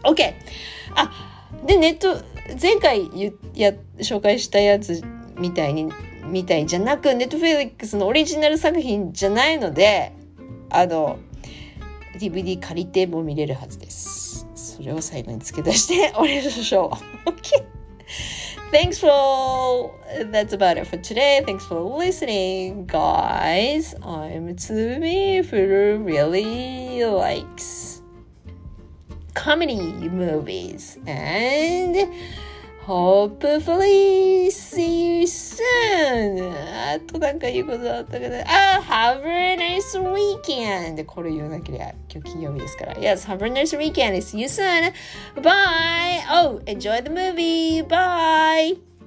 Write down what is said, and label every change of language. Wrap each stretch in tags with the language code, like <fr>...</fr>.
<ja>OK、 あ、でネット前回や紹介したやつみたいじゃなく、ネットフェリックスのオリジナル作品じゃないので、あの DVD 借りても見れるはずです。それを最後に付け出しておりましょう。</ja> <en>OK、 Thanks for that's about it for today. Thanks for listening, guys. I'm Tsumi for Really LikesComedy movies, and hopefully see you soon.</en> <ja>あとなんか言うことあったかな。</ja> <en>Have a nice weekend.</en> <ja>これ言わなければ今日金曜日ですから。</ja> <en>Yes, have a nice weekend. See you soon. Bye. Oh, enjoy the movie. Bye.</en>